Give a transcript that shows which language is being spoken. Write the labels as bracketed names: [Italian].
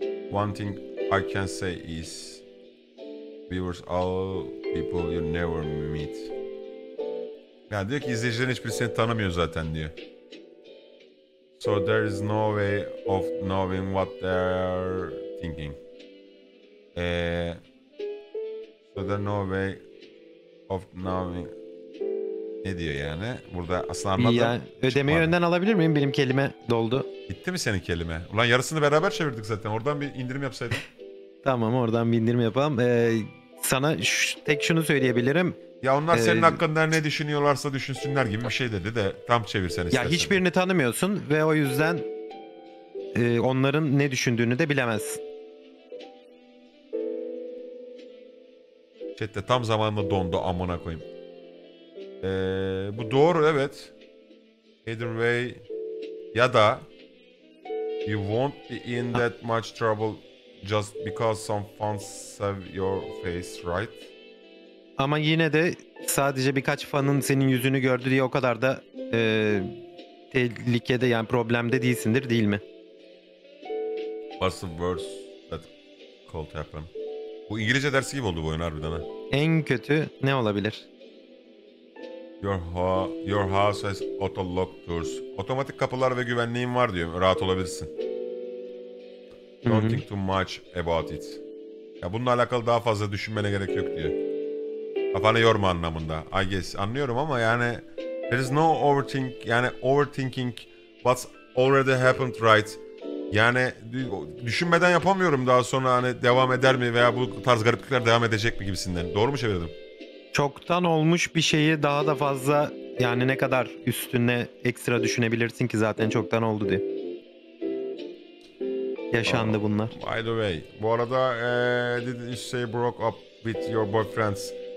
[English] One thing I can say is we were all people you never meet. [Turkish] Yani diyor ki izleyicilerin hiçbiri seni tanımıyor zaten diyor. [English] So there is no way of knowing what they are thinking. So there is no way of knowing. [Turkish] Ne diyor yani? Burada aslında anlamda ya, ödemeyi çıkmadı. Önden alabilir miyim? Benim kelime doldu. Bitti mi senin kelime? Ulan yarısını beraber çevirdik zaten. Oradan bir indirim yapsaydın. Tamam, oradan bir indirim yapalım. Sana tek şunu söyleyebilirim. Ya onlar senin hakkında ne düşünüyorlarsa düşünsünler gibi bir şey dedi de tam çevirsen istersen. Ya hiçbirini tanımıyorsun ve o yüzden onların ne düşündüğünü de bilemezsin. Chat'te tam zamanında dondu amına koyayım. Bu doğru, evet. [English] Either way [Turkish] ya da [English] you won't be in that much trouble just because some fans have your face, right? [Turkish] Ama yine de sadece birkaç fanın senin yüzünü gördü diye o kadar da tehlikede, yani problemde değilsindir, değil mi? [English] What's the worst that could happen? [Turkish] Bu İngilizce dersi gibi oldu bu oyun harbiden ha. En kötü ne olabilir? [English] Your house has auto lock doors. [Turkish] Otomatik kapılar ve güvenliğin var diyor. Rahat olabilirsin. [English] Don't think too much about it. [Turkish] Ya bununla alakalı daha fazla düşünmene gerek yok diyor. Kafanı yorma anlamında. [English] I guess. [Turkish] Anlıyorum ama yani [English] there is no overthink, yani overthinking what's already happened, right? [Turkish] Yani düşünmeden yapamıyorum daha sonra, hani devam eder mi veya bu tarz gariplikler devam edecek mi gibisinden. Doğru mu çevirdim? Çoktan olmuş bir şeyi daha da fazla, yani ne kadar üstüne ekstra düşünebilirsin ki, zaten çoktan oldu diye. Yaşandı bunlar. [English] By the way, [Turkish] bu arada [English] did you say broke up with your boyfriends?